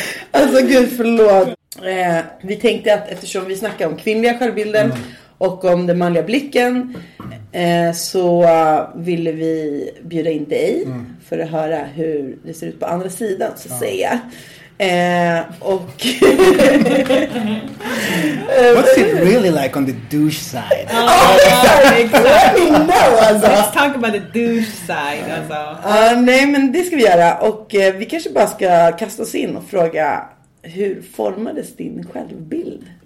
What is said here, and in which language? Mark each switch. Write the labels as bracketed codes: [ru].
[sv] Alltså gud, förlåt. Vi tänkte att eftersom vi snackar om kvinnliga självbilden och om den manliga blicken, så ville vi bjuda in dig för att höra hur det ser ut på andra sidan, så att säga. Och [en] what's it really like on the douche side? Let's talk about the douche side. [sv] Nej, men det ska vi göra. Och vi kanske bara ska kasta oss in och fråga, hur formades din självbild?